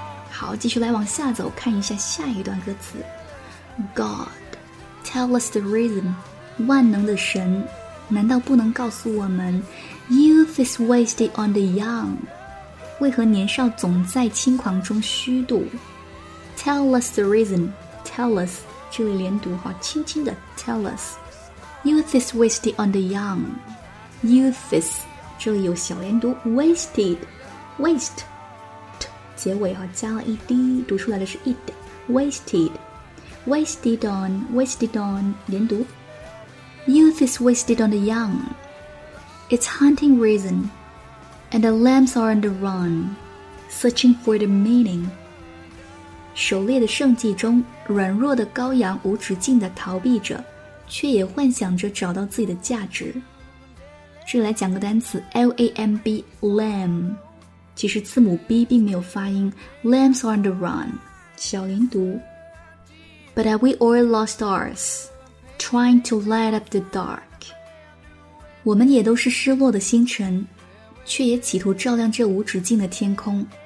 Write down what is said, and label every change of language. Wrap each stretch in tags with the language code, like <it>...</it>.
<zh>好，继续来往下走，看一下下一段歌词。</zh> <en>God, tell us the reason.</en> <zh>万能的神，难道不能告诉我们 ？</zh> <en>Youth is wasted on the young.</en> <zh>为何年少总在轻狂中虚度 ？</zh> <en>Tell us the reason. Tell us.</en> <zh>这里连读哈，轻轻的</zh> <en>tell us. Youth is wasted on the young. Youth is.</en> <zh>这里有小连读 wasted.</zh> <en>Waste.</en> <zh>结尾哈，加了 ed， 读出来的是</zh> <en>it， wasted， wasted on， wasted on， 连读。 Youth is wasted on the young. It's hunting reason, and the lambs are on the run, searching for the meaning.</en> <zh>狩猎的圣迹中，软弱的羔羊无止境地逃避着，却也幻想着找到自己的价值。这里来讲个单词 ，lamb， lamb。其实字母 B 并没有发音</zh> <en>Lambs are on the run 小连读 But are we all lost ours Trying to light up the dark</en> <zh>我们也都是失落的星辰却也企图照亮这无止境的天空</zh>